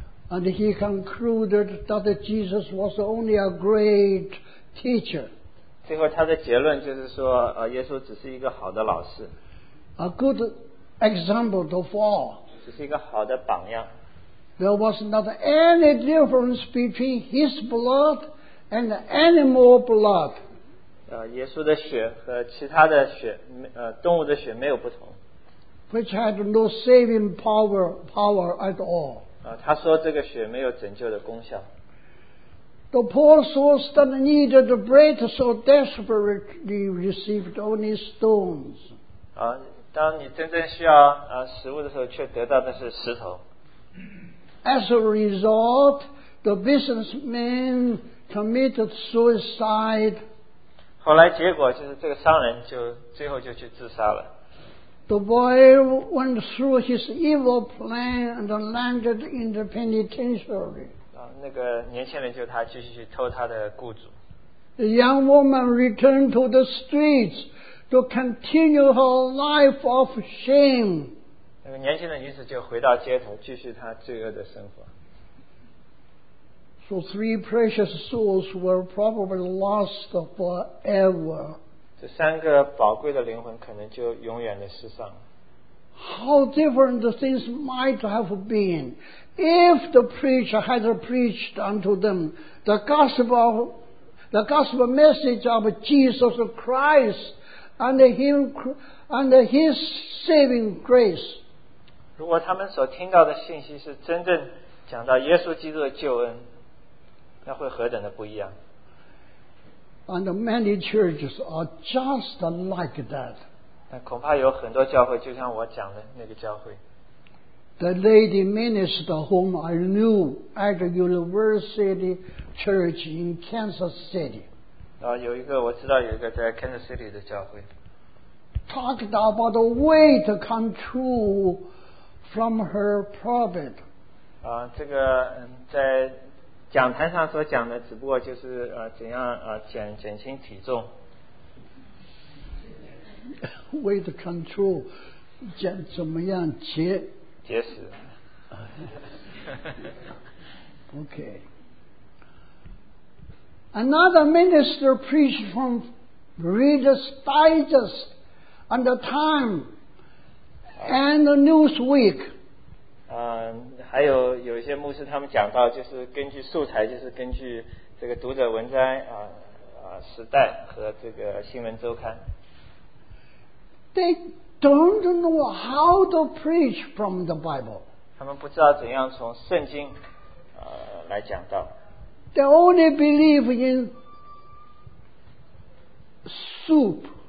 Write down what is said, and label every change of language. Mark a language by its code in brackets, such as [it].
[en] And he concluded that Jesus was only a great teacher. [zh] 最后他的结论就是说耶稣只是一个好的老师。 [en] A good example to follow. [zh] 只是一个好的榜样。 [en] There was not any difference between his blood and animal blood. [zh] 耶稣的血和其他的血动物的血没有不同。 [en] Which had no saving power at all. [zh] 他说这个血没有拯救的功效。 [en] The poor souls that needed the bread so desperately received only stones. [zh] 当你真正需要食物的时候，却得到的是石头。 [en] As a result, the businessman committed suicide. [zh] 后来结果就是这个商人就最后就去自杀了。 [en] The boy went through his evil plan and landed in the penitentiary. [zh] 那个年轻人就他继续去偷他的雇主。 [en] The young woman returned to the streets to continue her life of shame. [zh] 那个年轻人于是就回到街头继续他罪恶的生活。 [en] So three precious souls were probably lost forever. [zh] 这三个宝贵的灵魂可能就永远的失丧。 [en] How different the things might have been if the preacher had preached unto them the gospel message of Jesus Christ and his saving grace. [zh] 如果他们所听到的信息是真正讲到耶稣基督的救恩，那会何等的不一样。 [en] And many churches are just like that. [zh] 恐怕有很多教会就像我讲的那个教会。 [en] The lady minister whom I knew at a university church in Kansas City [zh] 有一个我知道有一个在 Kansas City 的教会 [en] talked about the weight control from her pulpit [zh] 这个在讲台上所讲的只不过就是怎样减轻体重。 [en] Weight control [zh] 减怎么样结实 OK [en] Another minister preached from Reader's Digest on the Time and the Newsweek. [zh] 还有有些牧师他们讲到就是根据素材就是根据这个读者文摘时代和这个新闻周刊。 [en] They don't know how to preach from the Bible. [zh] 他们不知道怎样从圣经来讲道。 [en] They only believe in soup.